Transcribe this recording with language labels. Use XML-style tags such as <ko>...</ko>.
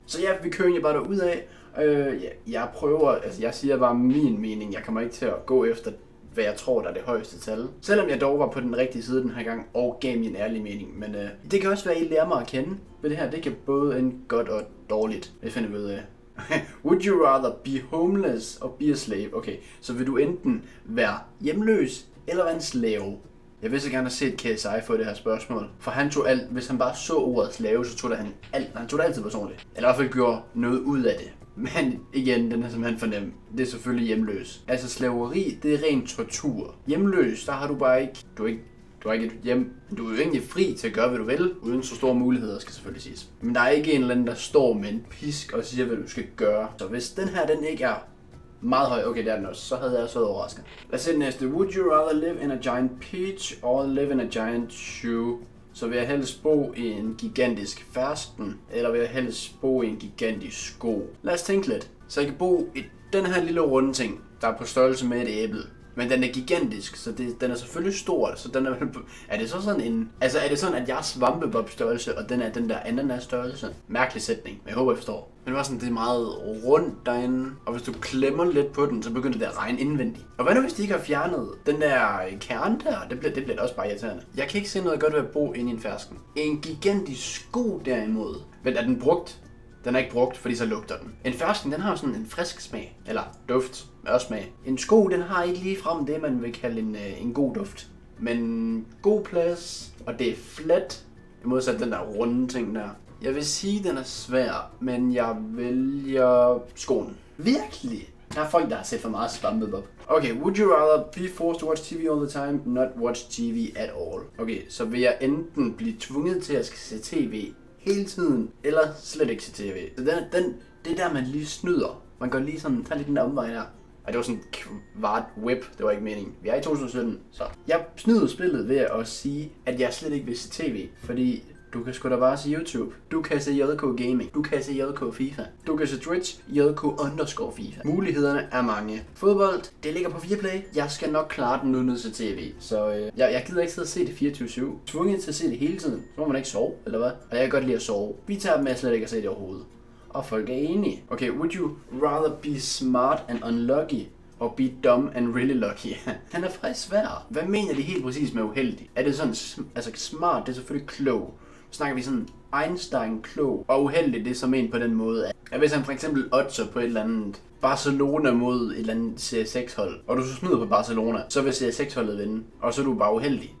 <da>Så ja, vi kører jo bare derudad. Jeg prøver, altså jeg siger bare min mening. Jeg kommer ikke til at gå efter, hvad jeg tror, der er det højeste tal. Selvom jeg dog var på den rigtige side den her gang, og gav min ærlige mening. Men det kan også være, at I lærer mig at kende ved det her. Det kan både end godt og dårligt. Det finder vi ud af.</da> <en>Would you rather be homeless or be a slave?</en> <da>Okay, så vil du enten være hjemløs eller være en slave? Jeg vil så gerne have set KSI få det her spørgsmål. For han tog alt, hvis han bare så ordet slave, så tog han alt. Han tog det altid personligt. Eller i hvert fald gjorde noget ud af det. Men igen, den er simpelthen for nem. Det er selvfølgelig hjemløs. Altså slaveri, det er ren tortur. Hjemløs, der har du bare ikke, du har ikke et hjem. Du er jo egentlig fri til at gøre, hvad du vil, uden så store muligheder, skal selvfølgelig siges. Men der er ikke en eller anden, der står med en pisk og siger, hvad du skal gøre. Så hvis den her, den ikke er meget høj, okay, det er den også, så havde jeg så overrasket. Lad os se den næste.</da> <en>Would you rather live in a giant peach or live in a giant shoe?</en> <da>Så vil jeg helst bo i en gigantisk fersken, eller vil jeg helst bo i en gigantisk sko? Lad os tænke lidt. Så jeg kan bo i den her lille runde ting, der er på størrelse med et æble. Men den er gigantisk, så det, den er selvfølgelig stor, så den er... Er det så sådan en... Altså, er det sådan, at jeg er svampebob-størrelse, og den er den der ananas-størrelse? Mærkelig sætning, men jeg håber, I forstår. Men det var sådan, det er meget rundt derinde. Og hvis du klemmer lidt på den, så begynder det at regne indvendigt. Og hvad nu, hvis de ikke har fjernet den der kerne der? Det bliver også bare irriterende. Jeg kan ikke se noget godt ved at bo inde i en fersken. En gigantisk sko derimod. Men er den brugt? Den er ikke brugt, fordi så lugter den. En fersken, den har sådan en frisk smag. Eller duft. Mør smag. En sko, den har ikke ligefrem det, man vil kalde en god duft. Men god plads. Og det er flat. I modsat den der runde ting der. Jeg vil sige, den er svær. Men jeg vælger skoen. Virkelig? Der er folk, der har set for meget svampet op.</da> <en>Okay, would you rather be forced to watch TV all the time, not watch TV at all?</en> <da>Okay, så vil jeg enten blive tvunget til at se TV hele tiden, eller slet ikke se TV. Så det er der, man lige snyder. Man går lige sådan, tager lige den der omvej der. Og det var sådan kvart whip, det var ikke meningen. Vi er i 2017, så. Jeg snyder spillet ved at sige, at jeg slet ikke vil se TV. Fordi du kan sgu da bare se YouTube. Du kan se JK Gaming. Du kan se JK FIFA. Du kan se Twitch, JK underscore FIFA. Mulighederne er mange. Fodbold, det ligger på Viaplay. Jeg skal nok klare den uden at se TV. Så jeg gider ikke sidde og se det 24-7. Tvunget til at se det hele tiden. Så må man ikke sove, eller hvad? Og jeg kan godt lide at sove. Vi tager dem, jeg slet ikke at se det overhovedet. Og folk er enige.</da> <en>Okay, would you rather be smart and unlucky? Og be dumb and really lucky.</en> <da>Han er faktisk svær. Hvad mener de helt præcis med uheldig? Er det sådan, altså smart, det er selvfølgelig klog. Snakker vi sådan Einstein klog og uheldig, det er som en på den måde. At hvis han for eksempel oddser på et eller andet, Barcelona mod et eller andet CS6-hold, og du så smider på Barcelona, så vil CS6-holdet vinde, og så er du bare uheldig.</da>